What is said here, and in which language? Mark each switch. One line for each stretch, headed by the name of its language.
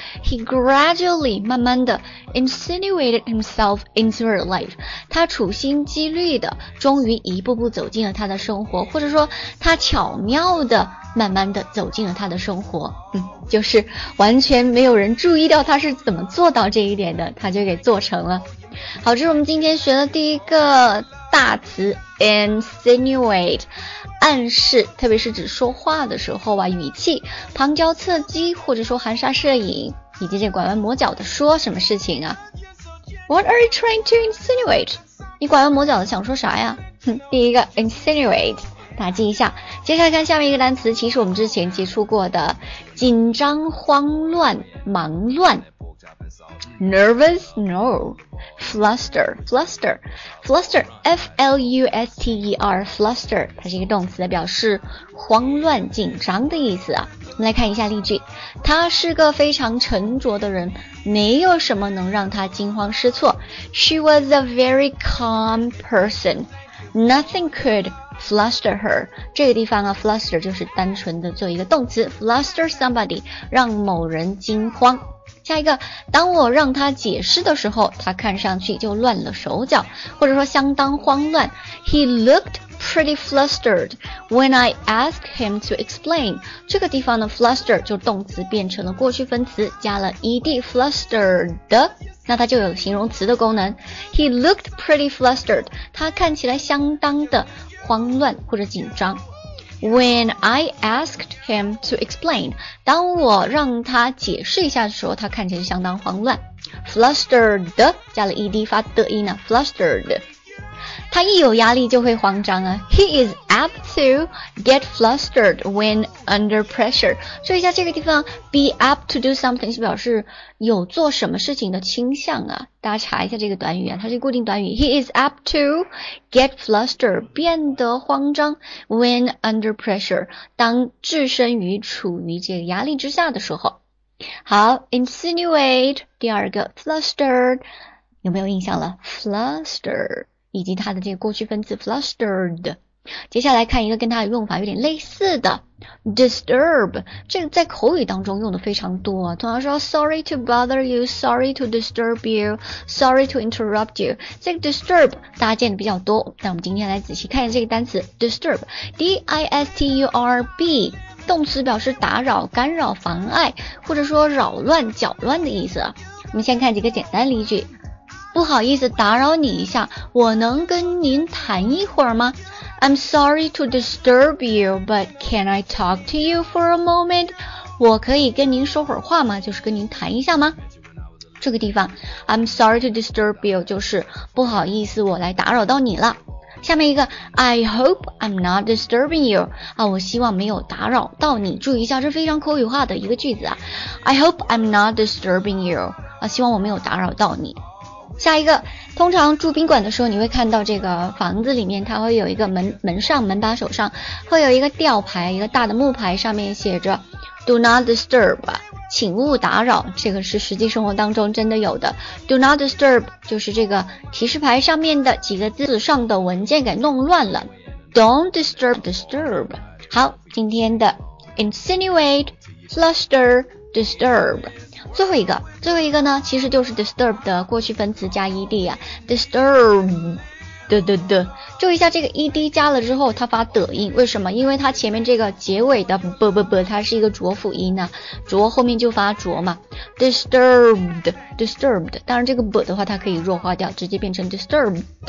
English: he gradually
Chinese: 慢慢的
English: insinuated himself into her life，
Chinese: 他处心积虑的终于一步步走进了他的生活，或者说他巧妙的慢慢的走进了他的生活，就是完全没有人注意到他是怎么做到这一点的，他就给做成了。好，这是我们今天学的第一个大词 insinuate， 暗示，特别是指说话的时候啊，语气旁敲侧击或者说含沙射影，以及这拐弯抹角的说什么事情啊。
English: What are you trying to insinuate？
Chinese: 你拐弯抹角的想说啥呀？第一个 insinuate打击一下，接下来看下面一个单词，其实我们之前接触过的紧张、慌乱、忙乱 Nervous? No Fluster F-L-U-S-T-E-R Fluster 它是一个动词，表示慌乱、紧张的意思啊。我们来看一下例句，他是个非常沉着的人，没有什么能让他惊慌失措。
English: She was a very calm person. Nothing could fluster her，
Chinese: 这个地方啊 fluster 就是单纯的做一个动词 fluster somebody， 让某人惊慌。下一个，当我让他解释的时候，他看上去就乱了手脚，或者说相当慌乱。
English: He looked pretty flustered when I asked him to explain，
Chinese: 这个地方的 fluster 就动词变成了过去分词，加了 ed flustered，那它就有形容词的功能。
English: He looked pretty flustered，
Chinese: 他看起来相当的慌乱或者紧张。
English: When I asked him to explain，
Chinese: 当我让他解释一下的时候，他看起来相当慌乱。 Flustered 加了 ed 发的音啊， flustered， 他一有压力就会慌张啊。
English: He is apt to get flustered when under pressure，
Chinese: 注意一下这个地方 be apt to do something 是表示有做什么事情的倾向啊，大家查一下这个短语啊，它是固定短语。
English: He is apt to get flustered，
Chinese: 变得慌张。
English: When under pressure，
Chinese: 当置身于处于这个压力之下的时候。好， insinuate 第二个 flustered 有没有印象了？ fluster以及它的这个过去分词 flustered。接下来看一个跟它的用法有点类似的 disturb， 这个在口语当中用的非常多、通常说
English: sorry to bother you， sorry to disturb you， sorry to interrupt you，
Chinese: 这个 disturb 大家见的比较多，那我们今天来仔细看一下这个单词 disturb， D-I-S-T-U-R-B 动词，表示打扰、干扰、妨碍，或者说扰乱、搅乱的意思。我们先看几个简单例句，不好意思打扰你一下，我能跟您谈一会儿吗？
English: I'm sorry to disturb you, but can I talk to you for a moment?
Chinese: 我可以跟您说会儿话吗？就是跟您谈一下吗？这个地方
English: I'm sorry to disturb you
Chinese: 就是不好意思我来打扰到你了。下面一个
English: I hope I'm not disturbing you
Chinese: 啊，我希望没有打扰到你，注意一下，这非常口语化的一个句子啊。
English: I hope I'm not disturbing you
Chinese: 啊，希望我没有打扰到你。下一个，通常住宾馆的时候，你会看到这个房子里面它会有一个门上门把手上会有一个吊牌，一个大的木牌，上面写着
English: Do not disturb，
Chinese: 请勿打扰，这个是实际生活当中真的有的。
English: Do not disturb
Chinese: 就是这个提示牌上面的几个字上的文件给弄乱了，
English: Don't disturb。
Chinese: 好，今天的 Insinuate Fluster Disturb。最后一个呢，其实就是 disturb 的过去分词加 ed 啊， disturb 的的的，注意一下这个 ed 加了之后它发的音，为什么？因为它前面这个结尾的 b 它是一个浊辅音啊，浊后面就发浊嘛， disturbed， 当然这个 b 的话它可以弱化掉，直接变成 disturbed。